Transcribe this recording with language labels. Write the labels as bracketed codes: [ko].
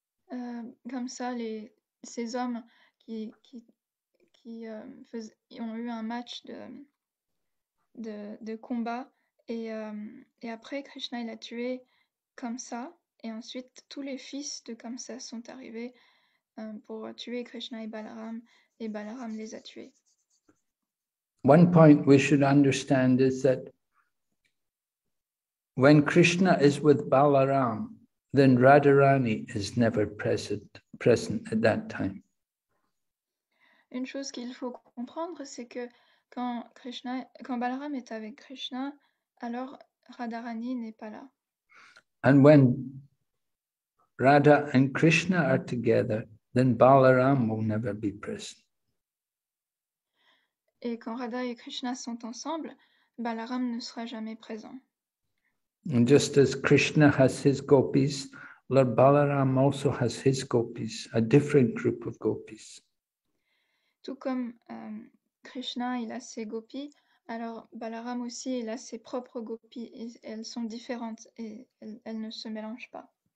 [fr] comme ça ces hommes ont eu un match de combat et après Krishna il a tué comme ça et ensuite tous les fils de comme ça sont arrivés pour tuer Krishna et Balaram les a tués. [en] One point we should understand is that when Krishna is with Balaram, then Radharani is never present at that time. [fr] Une chose qu'il faut comprendre, c'est que quand Balaram est avec Krishna, alors Radharani n'est pas là. [en] And when Radha and Krishna are together, then Balaram will never be present. [fr] Et quand Radha et Krishna sont ensemble, Balaram ne sera jamais présent. [en] And just as Krishna has his gopis, Lord Balaram also has his gopis, a different group of gopis. [fr] Tout comme Krishna, il a ses gopis, alors Balaram aussi, il a ses propres gopis, et elles sont différentes et elles ne se mélangent pas.